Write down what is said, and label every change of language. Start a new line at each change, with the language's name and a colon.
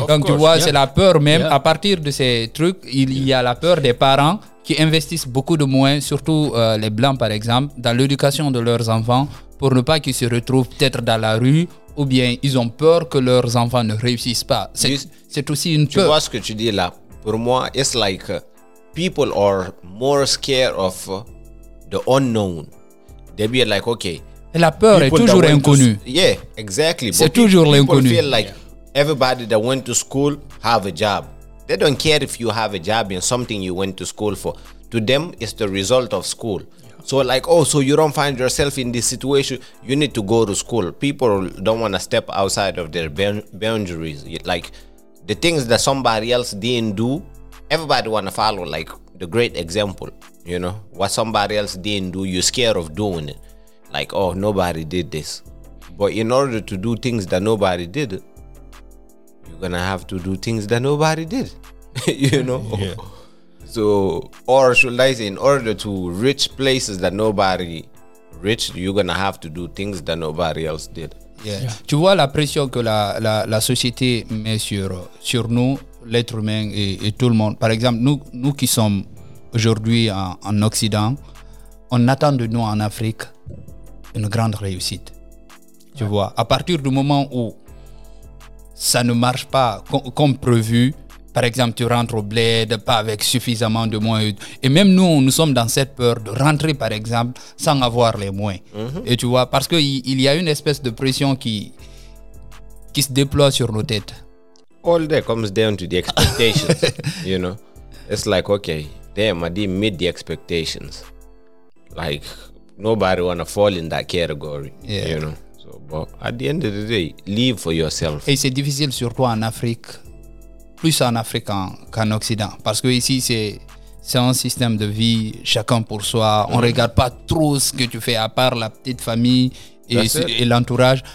French: Donc tu vois, c'est la peur même. Yeah. À partir de ces trucs, il y a la peur des parents qui investissent beaucoup de moins, surtout les Blancs par exemple, dans l'éducation de leurs enfants pour ne pas qu'ils se retrouvent peut-être dans la rue ou bien ils ont peur que leurs enfants ne réussissent pas. C'est aussi une peur. Tu vois ce que tu dis là? Pour moi,
English: it's like people are more scared of the unknown. They be like, okay.
French: Et la peur est toujours inconnue.
English: Yeah, exactly.
French: C'est toujours l'inconnu.
English: People feel like everybody that went to school have a job. They don't care if you have a job in something you went to school for. To them, it's the result of school. So like, oh, so you don't find yourself in this situation, you need to go to school. People don't want to step outside of their boundaries. Like, the things that somebody else didn't do, everybody want to follow, like, the great example, you know? What somebody else didn't do, you're scared of doing it. Like, oh, nobody did this. But in order to do things that nobody did, you're going to have to do things that nobody did, you know? Yeah. So, or should I say, in order to reach places that nobody reached, you're going to have to do things that nobody else did. Yeah.
French: Tu vois la pression que la société met sur nous, l'être humain et tout le monde. Par exemple, nous qui sommes aujourd'hui en Occident, on attend de nous en Afrique une grande réussite. Tu vois, à partir du moment où ça ne marche pas comme prévu, par exemple, tu rentres au bled, pas avec suffisamment de moyens. Et même nous sommes dans cette peur de rentrer, par exemple, sans avoir les moyens. Mm-hmm. Et tu vois, parce qu'il y a une espèce de pression qui se déploie sur nos têtes.
English: All that comes down to the expectations, you know. It's like, okay, damn, I didn't meet the expectations. Like, nobody wanna fall in that category, you know. So, but at the end of the day, live for yourself.
French: Et c'est difficile, surtout en Afrique. Plus en Afrique qu'en Occident. Parce que ici, c'est un système de vie, chacun pour soi. On ne regarde pas trop ce que tu fais, à part la petite famille et l'entourage.